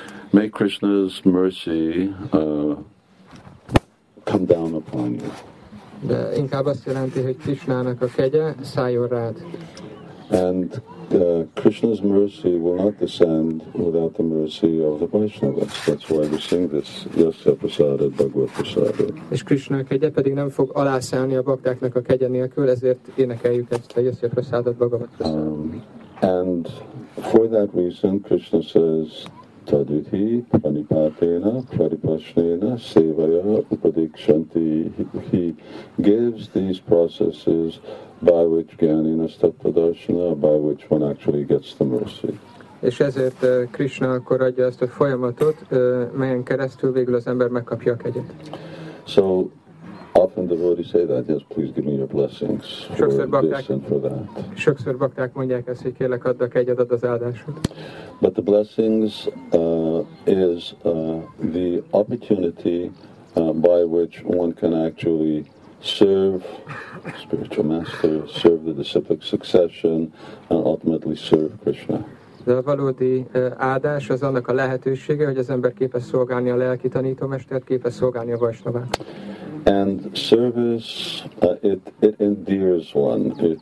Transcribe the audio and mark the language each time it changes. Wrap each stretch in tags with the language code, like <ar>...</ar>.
<en>May Krishna's mercy come down upon you.</en> <hu>De inkább azt jelenti, hogy Krishnának a kegye szálljon rád.</hu> <en>And Krishna's mercy will not descend without the mercy of the Vaishnavas. That's why we sing this,</en> <sa>Yasya Prasada Bhagavat Prasada.</sa> <hu>És Krishna kegye pedig nem fog alászállni a baktáknak a kegye nélkül, ezért énekeljük ezt a</hu> <sa>Yasya Prasada Bhagavat Prasada.</sa> <en>And for that reason, Krishna says,</en> <sa>Tadithi Panipatena Paripashnena Sevaya Upadikshanti.</sa> <en>He gives these processes by which</en> <sa>Gyanina Stattadarsana,</sa> <en>by which one actually gets the mercy.</en> <hu>És ezért Krishna akkor adja ezt a folyamatot, melyen keresztül végül az ember megkapja a kegyet.</hu> <en>So often the devotees say that, yes, please give me your blessings for this and for that.</en> <hu>Sokszor bakták mondják ezt, hogy kérlek, add a kegyed, add az áldásod.</hu> <en>But the blessings is the opportunity by which one can actually serve the spiritual master, serve the disciplic succession, and ultimately serve Krishna.</en> <hu>De a valódi áldás az annak a lehetősége, hogy az ember képes szolgálni a lelki tanítómestert, képes szolgálni a Vaishnavát.</hu> <en>And service, it endears one.</en>